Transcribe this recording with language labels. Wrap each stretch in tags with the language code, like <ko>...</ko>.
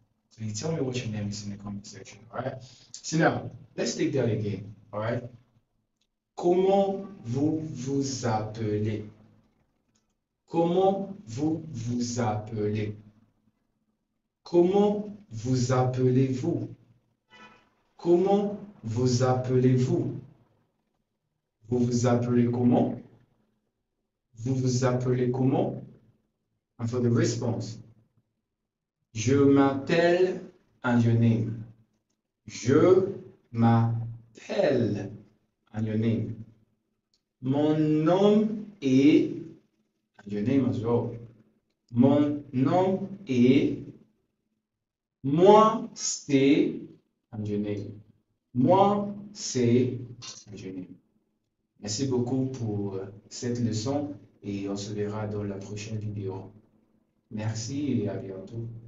<en>So you tell me what your name is in the comment section, all right? So now, let's take that again, all right?</en> <fr>Comment vous vous appelez? Comment vous vous appelez? Comment vous appelez-vous? Comment vous appelez-vous? Vous vous appelez comment? Vous vous appelez comment?</fr> <en>And for the response, Je m'appelle and your name. Je m'appelle and your name. Mon nom est and your name as well.</en> <fr>Mon nom est moi c'est and your name. Moi c'est and your name. Merci beaucoup pour cette leçon et on se verra dans la prochaine vidéo. Merci et à bientôt.</fr>